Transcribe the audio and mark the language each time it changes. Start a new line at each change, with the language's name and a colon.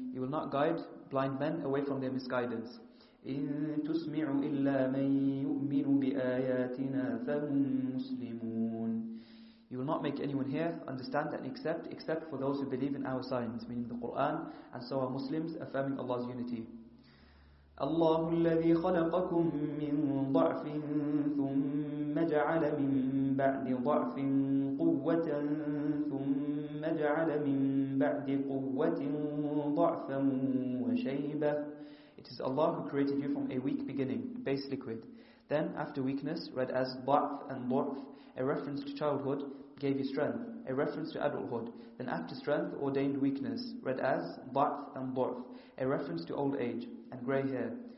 English: You will not guide blind men away from their misguidance.
Arabic: إِن تُسْمِعُ إِلَّا مَنْ يُؤْمِنُ بِآيَاتِنَا فَهُمْ مُسْلِمُونَ.
English: You will not make anyone hear, understand and accept, except for those who believe in our signs, meaning the Qur'an, and so are Muslims, affirming Allah's unity.
Arabic: الله الذي خلقكم من ضعف ثم جعل من بعد ضعف قوة ثم جعل من بعد قوة ضعفا وشيبة.
English: It is Allah who created you from a weak beginning, base liquid. Then after weakness, read as ضعف and ضعف, a reference to childhood, gave you strength, a reference to adulthood. Then after strength, ordained weakness, read as ضعف and ضعف, a reference to old age and grey hair.